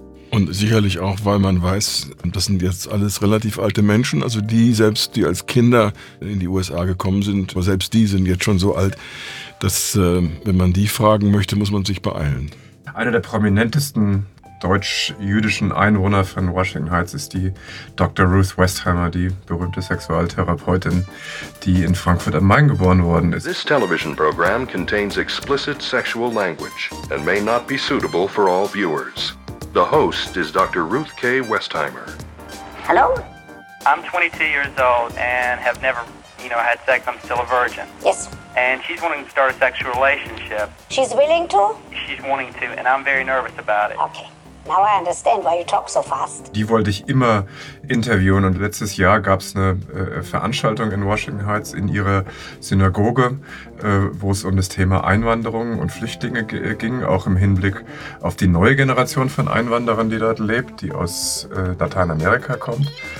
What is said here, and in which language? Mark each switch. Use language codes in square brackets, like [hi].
[de] Und sicherlich auch, weil man weiß, das sind jetzt alles relativ alte Menschen, also die selbst, die als Kinder in die USA gekommen sind, aber selbst die sind jetzt schon so alt, dass wenn man die fragen möchte, muss man sich beeilen. Einer der prominentesten deutsch-jüdischen Einwohner von Washington Heights ist die Dr. Ruth Westheimer, die berühmte Sexualtherapeutin, die in Frankfurt am Main geboren worden ist. [en] This television program contains explicit sexual language and may not be suitable for all viewers. The host is Dr. Ruth K. Westheimer. Hello? I'm 22 years old and have never, had sex. I'm still a virgin. Yes. And she's wanting to start a sexual relationship. She's willing to? She's wanting to, and I'm very nervous about it. Okay. Now I understand why you talk so fast. [de] Die wollte ich immer interviewen und letztes Jahr gab es eine Veranstaltung in Washington Heights in ihrer Synagoge, wo es um das Thema Einwanderung und Flüchtlinge ging, auch im Hinblick auf die neue Generation von Einwanderern, die dort lebt, die aus Lateinamerika kommt.